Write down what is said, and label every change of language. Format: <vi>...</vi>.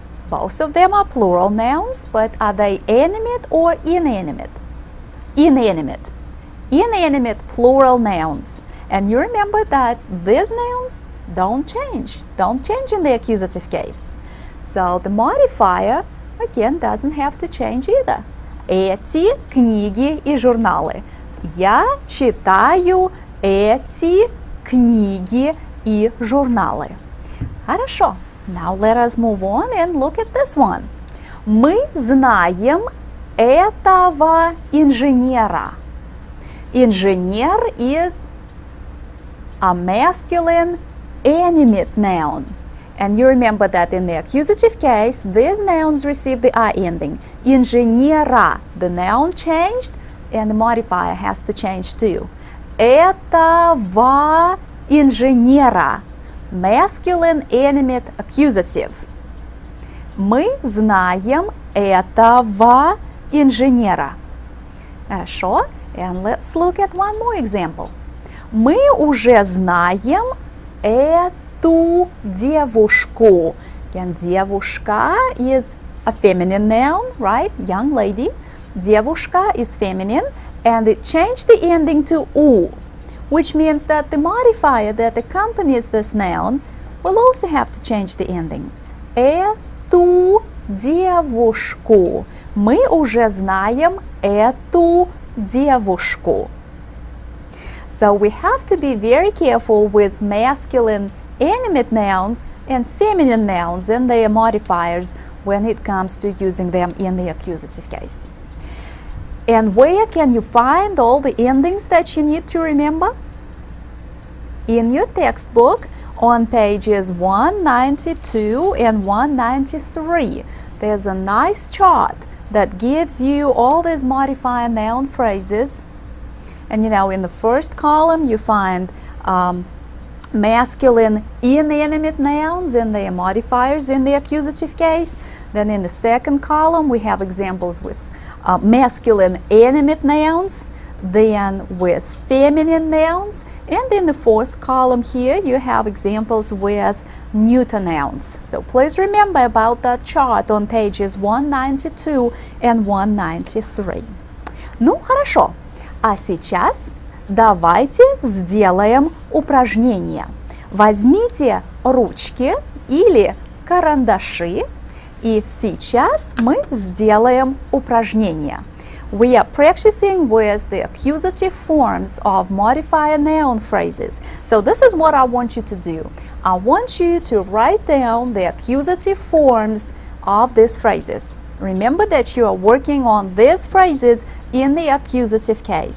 <en>Both of them are plural nouns, but are they animate or inanimate? Inanimate. Inanimate plural nouns. And you remember that these nouns don't change in the accusative case. So the modifier, again, doesn't have to change either.</en> <ru>Эти книги и журналы. Я читаю эти книги и журналы. Хорошо.</ru> <en>Now let us move on and look at this one.</en> <ru>Мы знаем этого инженера.</ru> <en>Инженер is a masculine inanimate noun. And you remember that in the accusative case, these nouns receive the I ending.</en> <ru>Инженера.</ru> <en>The noun changed and the modifier has to change too.</en> <ru>Этого инженера.</ru> <en>Masculine inanimate accusative.</en> <ru>Мы знаем этого инженера. Хорошо.</ru> <en>And let's look at one more example.</en> <ru>Мы уже знаем ту девушку.</ru> <en>And девушка is a feminine noun, right? Young lady. Девушка is feminine, and it changed the ending to у, which means that the modifier that accompanies this noun will also have to change the ending.</en> <ru>Эту девушку. Мы уже знаем эту девушку.</ru> <en>So we have to be very careful with masculine animate nouns and feminine nouns and their modifiers when it comes to using them in the accusative case. And where can you find all the endings that you need to remember? In your textbook on pages 192 and 193, there's a nice chart that gives you all these modifier noun phrases. And you know, in the first column you find masculine inanimate nouns and their modifiers in the accusative case. Then in the second column we have examples with masculine animate nouns, then with feminine nouns, and in the fourth column here you have examples with neuter nouns. So please remember about that chart on pages 192 and 193.</en> <ru>Ну хорошо, а сейчас давайте сделаем упражнение. Возьмите ручки или карандаши, и сейчас мы сделаем упражнение.</ru> <en>We are practicing with the accusative forms of modifier noun phrases. So this is what I want you to do. I want you to write down the accusative forms of these phrases. Remember that you are working on these phrases in the accusative case.</en>